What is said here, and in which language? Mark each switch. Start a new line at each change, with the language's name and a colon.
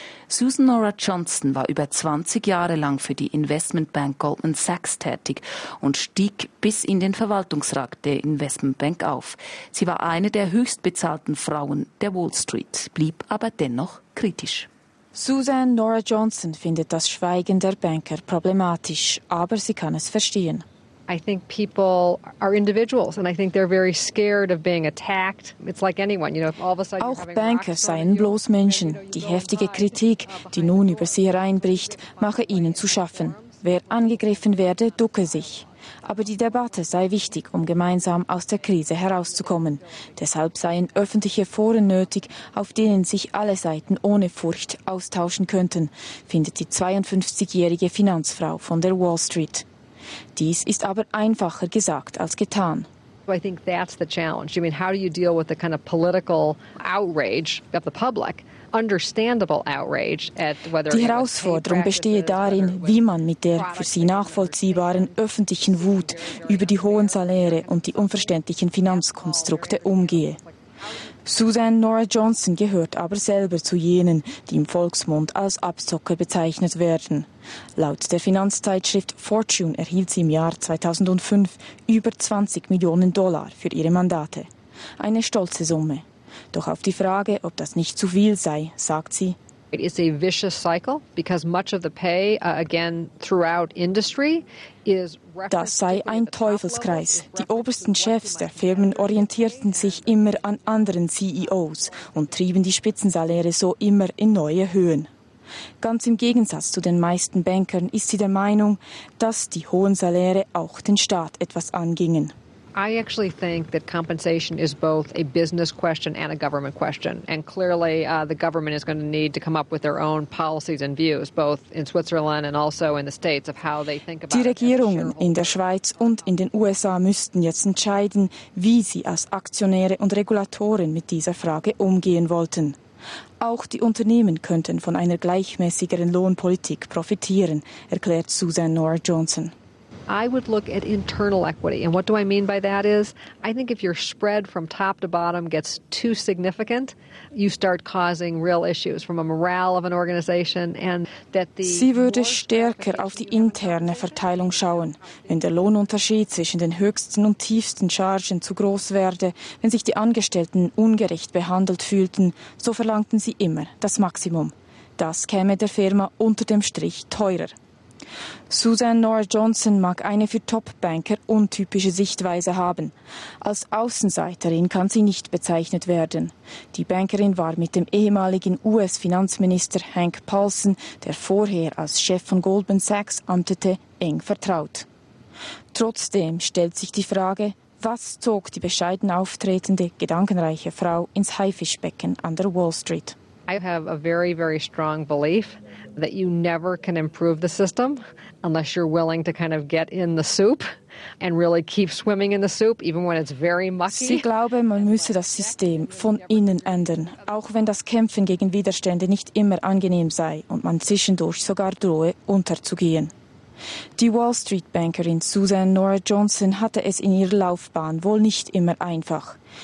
German: Susan Nora Johnston war über 20 Jahre lang für die Investmentbank Goldman Sachs tätig und stieg bis in den Verwaltungsrat der Investmentbank auf. Sie war eine der höchstbezahlten Frauen der Wall Street, blieb aber dennoch kritisch. Susan Nora Johnston findet das Schweigen der Banker problematisch, aber sie kann es verstehen.
English: I think people are individuals and I think they're very scared of being attacked. It's like anyone, you know, if all of a sudden
German: auch Banker seien bloß Menschen. Die heftige Kritik, die nun über sie hereinbricht, mache ihnen zu schaffen. Wer angegriffen werde, ducke sich. Aber die Debatte sei wichtig, um gemeinsam aus der Krise herauszukommen. Deshalb seien öffentliche Foren nötig, auf denen sich alle Seiten ohne Furcht austauschen könnten, findet die 52-jährige Finanzfrau von der Wall Street. Dies ist aber einfacher gesagt als getan.
English: I think that's the challenge. I mean, how do you deal with the kind of political outrage of the public?
German: Die Herausforderung bestehe darin, wie man mit der für sie nachvollziehbaren öffentlichen Wut über die hohen Saläre und die unverständlichen Finanzkonstrukte umgehe. Susan Nora Johnston gehört aber selber zu jenen, die im Volksmund als Abzocker bezeichnet werden. Laut der Finanzzeitschrift Fortune erhielt sie im Jahr 2005 über 20 Millionen Dollar für ihre Mandate. Eine stolze Summe. Doch auf die Frage, ob das nicht zu viel sei, sagt sie:
English: It is a vicious cycle because much of the pay again throughout industry is.
German: Das sei ein Teufelskreis. Die obersten Chefs der Firmen orientierten sich immer an anderen CEOs und trieben die Spitzensaläre so immer in neue Höhen. Ganz im Gegensatz zu den meisten Bankern ist sie der Meinung, dass die hohen Saläre auch den Staat etwas angingen.
English: I actually think that compensation is both a business question and a government question. And clearly the government is going to need to come up with their own policies and views, both in Switzerland and also in the States, of how they think about
German: it. Die Regierungen in der Schweiz und in den USA müssten jetzt entscheiden, wie sie als Aktionäre und Regulatoren mit dieser Frage umgehen wollten. Auch die Unternehmen könnten von einer gleichmäßigeren Lohnpolitik profitieren, erklärt Susan Nora Johnston.
English: I would look at internal equity. And what do I mean by that is, I think if your spread from top to bottom gets too significant, you start causing real issues from a morale of an organization and that the.
German: Sie würde stärker auf die interne Verteilung schauen. Wenn der Lohnunterschied zwischen den höchsten und tiefsten Chargen zu groß werde, wenn sich die Angestellten ungerecht behandelt fühlten, so verlangten sie immer das Maximum. das käme der Firma unter dem Strich teurer. Susan Nora Johnson mag eine für Top-Banker untypische Sichtweise haben. Als Außenseiterin kann sie nicht bezeichnet werden. Die Bankerin war mit dem ehemaligen US-Finanzminister Hank Paulson, der vorher als Chef von Goldman Sachs amtete, eng vertraut. Trotzdem stellt sich die Frage, was zog die bescheiden auftretende, gedankenreiche Frau ins Haifischbecken an der Wall Street?
English: I have a very, very strong belief that you never can improve the system unless you're willing to kind of get in the soup and really keep swimming in the soup, even when it's very mucky.
German: Sie glaube, man müsse das System von innen ändern, auch wenn das Kämpfen gegen Widerstände nicht immer angenehm sei und man zwischendurch sogar drohe, unterzugehen. Die Wall Street Bankerin Susan Nora Johnson hatte es in ihrer Laufbahn wohl nicht immer einfach.